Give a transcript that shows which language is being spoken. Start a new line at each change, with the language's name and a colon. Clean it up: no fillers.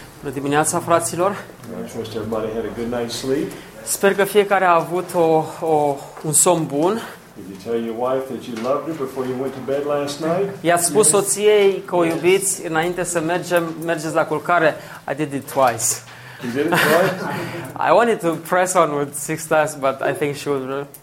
Romanian: Bună dimineața, fraților.
English: I trust everybody had a good night's sleep.
Romanian: Sper că fiecare a avut un somn bun.
English: Did you tell your wife that you loved her before you went to bed last night?
Romanian: I-ați spus soției că o iubiți înainte să mergeți la culcare.
English: I did it twice. You did it twice? I wanted to press on with six times, but I think she was...